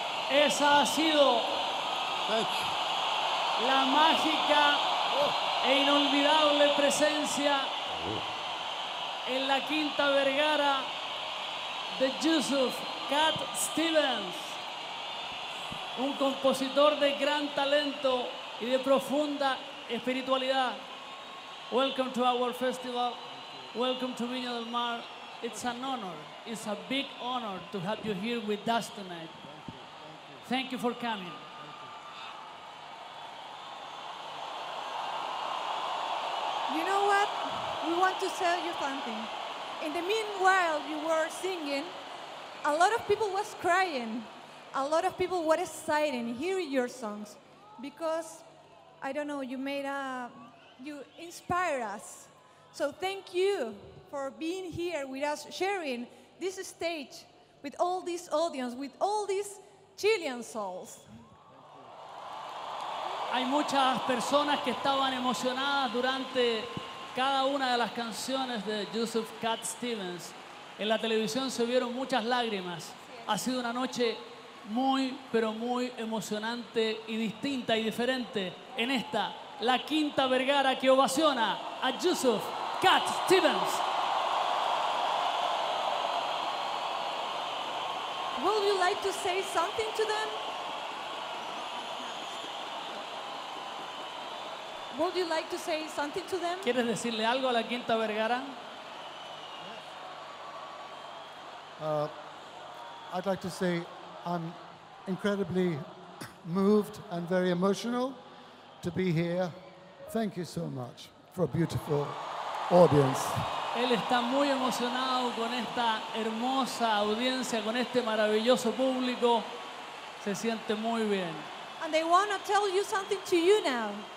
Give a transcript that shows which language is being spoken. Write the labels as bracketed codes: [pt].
[es] Esa ha sido la mágica e inolvidable presencia en la Quinta Vergara de Yusuf Cat Stevens, un compositor de gran talento y de profunda espiritualidad. [en] Welcome to our festival, welcome to Viña del Mar. It's an honor, it's a big honor to have you here with us tonight. Thank you for coming. You know what? We want to tell you something. In the meanwhile you were singing, a lot of people was crying. A lot of people were excited hearing your songs because, I don't know, you made a, you inspire us. So thank you for being here with us, sharing this stage with all this audience, with all these Chilean souls. [es] Hay muchas personas que estaban emocionadas durante cada una de las canciones de Yusuf Cat Stevens. En la televisión se vieron muchas lágrimas. Ha sido una noche muy, pero muy emocionante y distinta y diferente en esta, la Quinta Vergara, que ovaciona a Yusuf Cat Stevens. [en] Would you like to say something to them? Would you like to say something to them? [es] ¿Quieres decirle algo a la Quinta Vergara? [en] I'd like to say I'm incredibly moved and very emotional to be here. Thank you so much for a beautiful audience. [es] Él está muy emocionado con esta hermosa audiencia, con este maravilloso público. Se siente muy bien. [en] And they want to tell you something to you now.